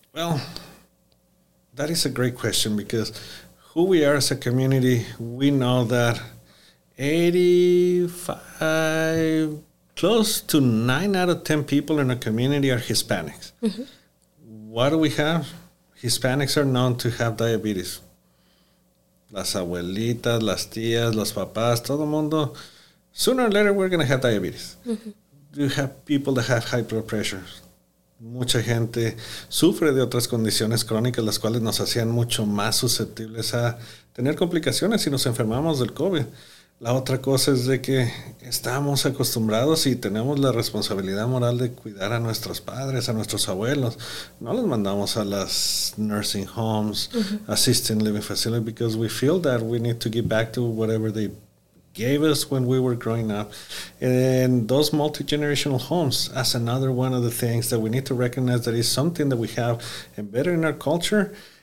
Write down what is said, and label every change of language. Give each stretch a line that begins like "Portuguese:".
English: Well, that is a great question, because who we are as a community, we know that 85, close to 9 out of 10 people in a community are Hispanics. Mm-hmm. What do we have? Hispanics are known to have diabetes.
Spanish: Las abuelitas, las tías, los papás, todo mundo.
English: Sooner or later, we're going to have diabetes. Mm-hmm. You have people that have high blood pressure.
Spanish: Mucha gente sufre de otras condiciones crónicas, las cuales nos hacían mucho más susceptibles a tener complicaciones si nos enfermamos del COVID. La otra cosa es de que estamos acostumbrados y tenemos la responsabilidad moral de cuidar a nuestros padres, a nuestros abuelos. No los mandamos a las
English: nursing homes, mm-hmm. assisted living facilities, because we feel that we need to give back to whatever they gave us when we were growing up. And those multi-generational homes as another one of the things that we need to recognize that is something that we have embedded in our culture.